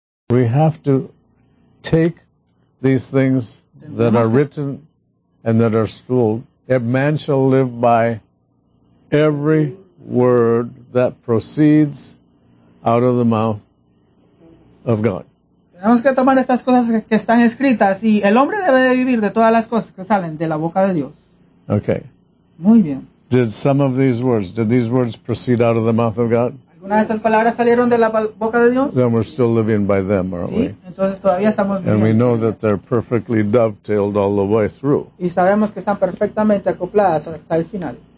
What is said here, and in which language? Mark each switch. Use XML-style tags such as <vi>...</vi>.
<en>We have to take these things that are written and that are schooled. A man shall live by every word that proceeds out of the mouth of God.</en> <es>Tenemos que tomar estas cosas que están escritas y el hombre debe de vivir de todas las cosas que salen de la boca de Dios.</es> <en>Okay.</en> <es>Muy bien.</es> <en>Did some of these words, did these words proceed out of the mouth of God?</en> <es>¿Algunas de estas palabras salieron de la boca de Dios?</es> <en>Then we're still living by them, aren't we?</en> <es>Sí, entonces todavía estamos viviendo.</es> <en>And we know that they're perfectly dovetailed all the way through.</en> <es>Y sabemos que están perfectamente acopladas hasta el final.</es>